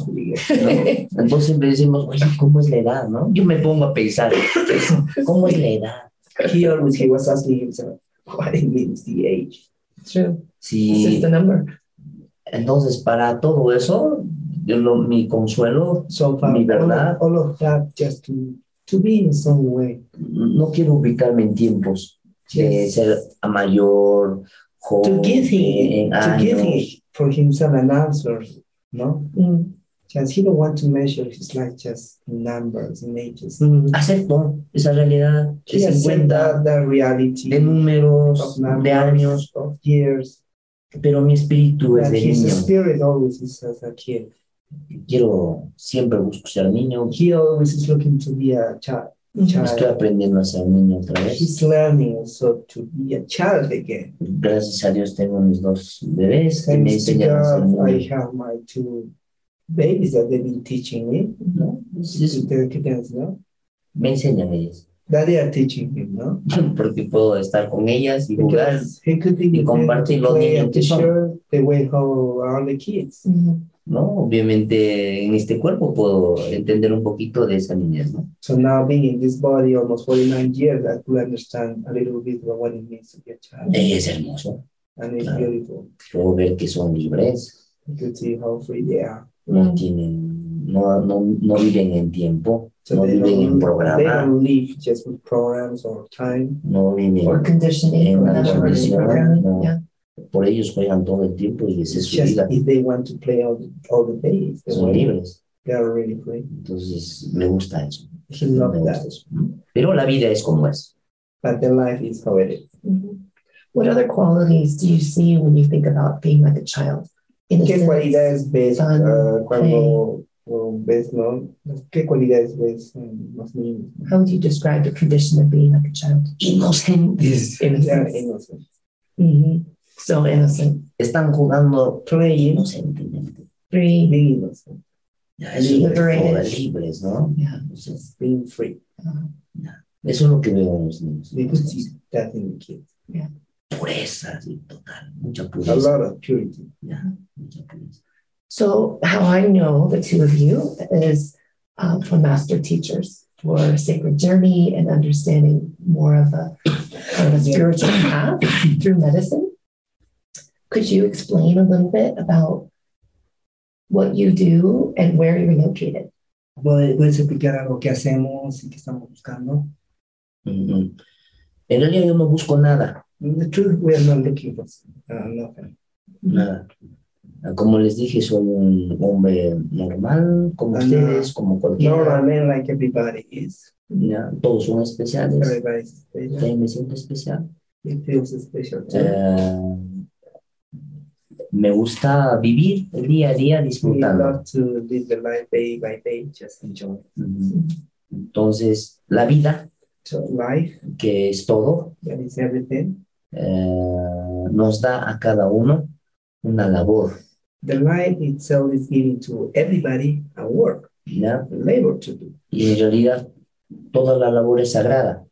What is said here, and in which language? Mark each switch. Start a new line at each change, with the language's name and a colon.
Spanish: Entonces siempre decimos, oye, ¿cómo es la edad, no? Yo me pongo a pensar, ¿cómo es la edad?
English: He was asking himself, what it means the age? True.
Spanish: Sí.
English: Is this the number?
Spanish: Entonces, para todo eso, mi consuelo,
English: so far,
Spanish: mi verdad.
English: All of that just to be in some way.
Spanish: No quiero ubicarme en tiempos.
English: Yes.
Spanish: De ser a mayor, joven,
English: to give him, for himself an answer, no? Mm. chance. He don't want to measure his life just numbers and ages.
Spanish: Mm-hmm. Acepto esa realidad.
English: He
Spanish: acepta
English: the reality
Spanish: de números,
English: of numbers,
Spanish: de años,
English: of years.
Spanish: Pero mi espíritu es de niño.
English: His spirit always is as a kid.
Spanish: Quiero, siempre busco ser niño.
English: He always is looking to be a child. Child.
Spanish: Estoy aprendiendo a ser niño otra vez.
English: He's learning also to be a child again.
Spanish: Gracias a Dios tengo mis dos bebés que me enseñan a ser niño.
English: I have my two babies that they've been teaching me.
Spanish: No,
English: this is the kids, no?
Spanish: Me enseñan ellas.
English: That they are teaching him, no?
Spanish: Porque puedo estar con ellas y
English: because
Spanish: jugar y compartir lo niño que son.
English: The way how are the kids. Mm-hmm.
Spanish: No, obviamente en este cuerpo puedo entender un poquito de esa niñez, ¿no?
English: So now being in this body almost 49 years, I could understand a little bit about what it means to be a child.
Spanish: Es hermoso.
English: And it's
Spanish: claro.
English: Beautiful.
Spanish: Puedo ver que son libres.
English: You can see how free they are.
Spanish: No tienen, no viven en tiempo. So no viven en programa.
English: They don't live just with programs or time.
Spanish: No viven
English: or conditioning.
Spanish: En la condición, no. Yeah. Por ellos juegan todo el tiempo y es su vida.
English: If they want to play all the days,
Spanish: son libres.
English: They are really free.
Spanish: Entonces me gusta eso.
English: He loves that.
Spanish: Pero la vida es como es.
English: But the life is how it is. Mm-hmm. What other qualities do you see when you think about being like a child?
Spanish: ¿Qué cualidades ves ¿qué cualidades ves más niños?
English: How would you describe the condition of being like a child?
Spanish: Inocentes.
English: Innocent. Mm-hmm. So innocent.
Spanish: Están jugando
English: play
Spanish: inocentemente.
English: Free. Being innocent.
Spanish: Liberated. Libres, ¿no?
English: Yeah. Just being free. Yeah.
Spanish: Eso es lo que veo en los niños.
English: They could see that in the kids. Yeah.
Spanish: Pureza, sí, total. Mucha pureza.
English: A lot of purity.
Spanish: Yeah. Mucha pureza.
English: So how I know the two of you is from master teachers for sacred journey and understanding more of a spiritual path through medicine. Could you explain a little bit about what you do and where you're located?
Spanish: ¿Puedes explicar algo que hacemos y que estamos buscando? Mm-hmm. En realidad yo no busco nada.
English: In the truth, we are not looking for nothing.
Spanish: Nada. Como les dije, soy un hombre normal, como
English: and
Spanish: ustedes, como cualquiera.
English: No, I mean like everybody is.
Spanish: Yeah, todos son especiales.
English: Everybody is special.
Spanish: Sí, me siento especial.
English: It feels special too.
Spanish: Me gusta vivir el día a día disfrutando.
English: We love to live the life day by day, just enjoy.
Spanish: Mm-hmm. Entonces, la vida,
English: so life,
Spanish: que es todo,
English: that is everything,
Spanish: nos da a cada uno una labor.
English: The life itself is giving to everybody a work, yeah, a labor to do.
Spanish: Y en realidad, toda la labor es sagrada.